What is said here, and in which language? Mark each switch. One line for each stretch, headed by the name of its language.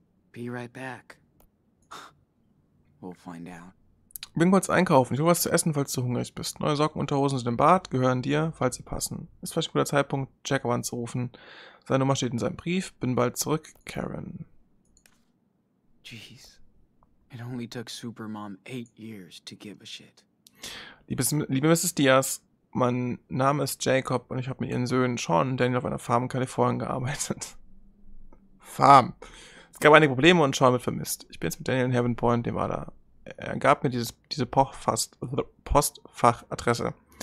English: Be right back. We'll find out.
German: Bin kurz einkaufen. Ich hole was zu essen, falls du hungrig bist. Neue Socken, Unterhosen sind im Bad, gehören dir, falls sie passen. Ist vielleicht ein guter Zeitpunkt, Jack anzurufen. Seine Nummer steht in seinem Brief. Bin bald zurück, Karen.
English: Jeez. It only took Supermom 8 years to give a shit.
German: Liebe Mrs. Diaz, mein Name ist Jacob und ich habe mit ihren Söhnen Sean und Daniel auf einer Farm in Kalifornien gearbeitet. Farm. Es gab einige Probleme und Sean wird vermisst. Ich bin jetzt mit Daniel in Heaven Point, dem war da. Er gab mir diese Postfachadresse.